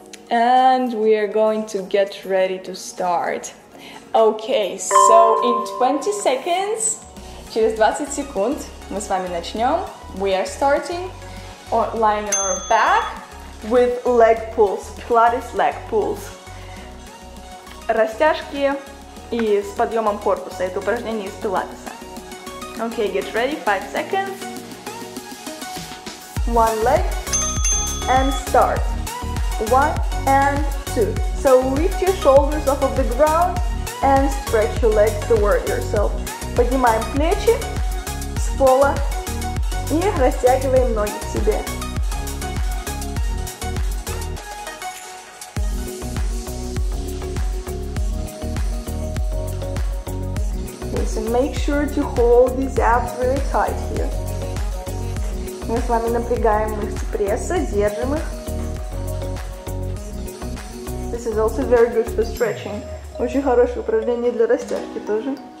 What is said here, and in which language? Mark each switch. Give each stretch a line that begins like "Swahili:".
English: And we are going to get ready to start. Okay, so in 20 seconds,
Russian: через 20 секунд мы с вами начнем.
English: We are starting lying on our back with leg pulls, Pilates leg pulls.
Russian: Растяжки и с подъемом корпуса. Это упражнение из пилатеса.
English: Okay, get ready. 5 seconds. One leg. And start. One and two. So lift your shoulders off of the ground and stretch your legs toward yourself.
Russian: Поднимаем плечи с пола и растягиваем ноги к себе.
English: And make sure to hold these abs really tight here.
Russian: Мы с вами напрягаем мышцы пресса, держим их.
English: This is also very good for stretching.
Russian: Очень хорошее упражнение для растяжки тоже.